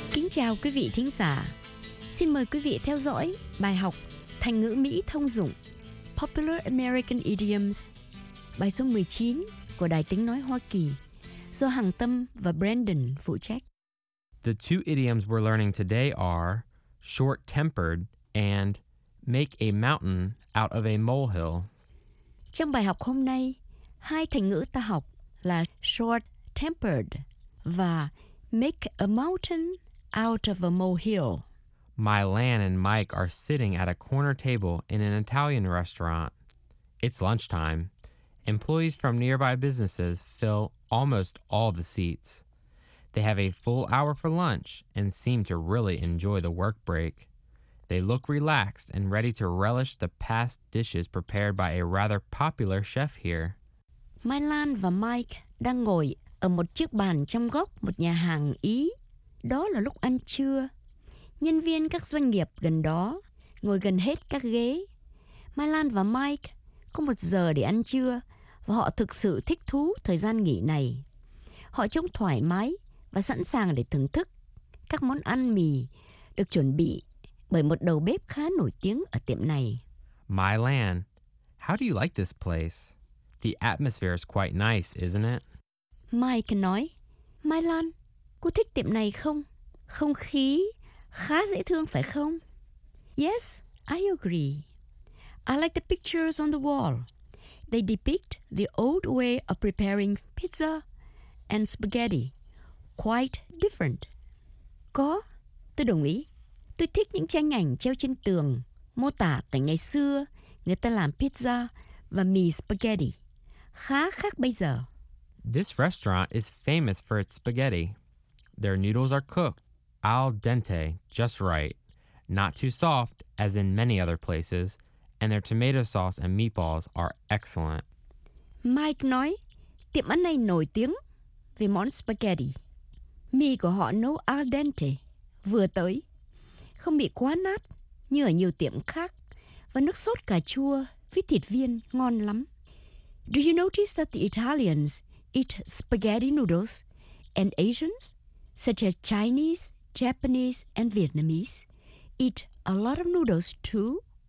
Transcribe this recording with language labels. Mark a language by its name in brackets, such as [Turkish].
[Vietnamese] Chào quý vị thính giả. Xin mời quý vị theo dõi bài học thành ngữ Mỹ thông dụng [English] Popular American Idioms, [Vietnamese] bài số 19 của Đài Tiếng Nói Hoa Kỳ do Hằng Tâm và Brandon phụ trách. [English] The two idioms we're learning today are short-tempered and make a mountain out of a molehill. [Vietnamese] Trong bài học hôm nay, hai thành ngữ ta học là short-tempered và make a mountain out of a molehill. [English] Mylan and Mike are sitting at a corner table in an Italian restaurant. It's lunchtime. Employees from nearby businesses fill almost all the seats. They have a full hour for lunch and seem to really enjoy the work break. They look relaxed and ready to relish the past dishes prepared by a rather popular chef here. [Vietnamese] Mylan và Mike đang ngồi ở một chiếc bàn trong góc một nhà hàng Ý. Đó là lúc ăn trưa. nhân viên các doanh nghiệp gần đó ngồi gần hết các ghế. Mai Lan và Mike có một giờ để ăn trưa và họ thực sự thích thú thời gian nghỉ này. Họ trông thoải mái và sẵn sàng để thưởng thức các món ăn mì được chuẩn bị bởi một đầu bếp khá nổi tiếng ở tiệm này. [English] Mai Lan, how do you like this place? The atmosphere is quite nice, isn't it? [Vietnamese] Mike nói, Mai Lan, cô thích tiệm này không? Không khí khá dễ thương phải không? [English] Yes, I agree. I like the pictures on the wall. They depict the old way of preparing pizza and spaghetti. Quite different. [Vietnamese] Có, tôi đồng ý. Tôi thích những tranh ảnh treo trên tường mô tả cảnh ngày xưa người ta làm pizza và mì spaghetti. Khá khác bây giờ. [English] This restaurant is famous for its spaghetti. Their noodles are cooked al dente, just right. Not too soft, as in many other places. And their tomato sauce and meatballs are excellent. [Vietnamese] Mike nói, tiệm ăn này nổi tiếng vì món spaghetti. Mì của họ nấu al dente, vừa tới. Không bị quá nát như ở nhiều tiệm khác. Và nước sốt cà chua với thịt viên ngon lắm. [English] Do you notice that the Italians eat spaghetti noodles and Asians, such as Chinese, Japanese and Vietnamese, eat a lot of noodles too?